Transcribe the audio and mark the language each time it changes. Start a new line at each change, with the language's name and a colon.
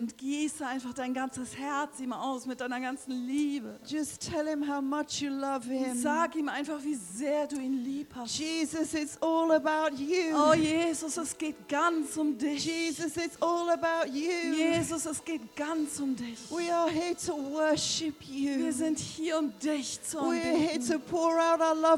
German: Und gieße einfach dein ganzes Herz ihm aus mit deiner ganzen Liebe.
English: Just tell him how much you love him.
German: Sag ihm einfach, wie sehr du ihn lieb hast.
English: Jesus, it's all about you.
German: Oh Jesus, es geht ganz um dich.
English: Jesus, it's all about you.
German: Jesus, es geht ganz um dich.
English: We are here to worship you.
German: Wir sind hier, um dich zu anbeten.
English: We are here to pour out our love.